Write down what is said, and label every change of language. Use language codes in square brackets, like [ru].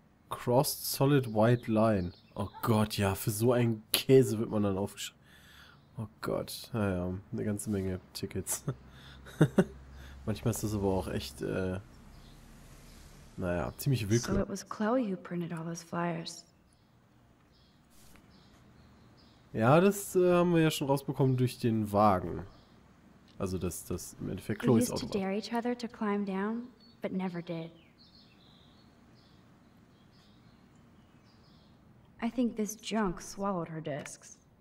[en] Crossed solid white line. [de] Oh Gott, ja, für so einen Käse wird man dann aufgeschrieben. Oh Gott, naja, eine ganze Menge Tickets. Manchmal ist das aber auch echt, naja, ziemlich willkürlich. [en] So it was Chloe who printed all those flyers. [de] Ja, das haben wir ja schon rausbekommen durch den Wagen. Also das im Endeffekt Chloe's Auto. [en] We used to dare each other to climb down, but never did. I think this junk swallowed her discs.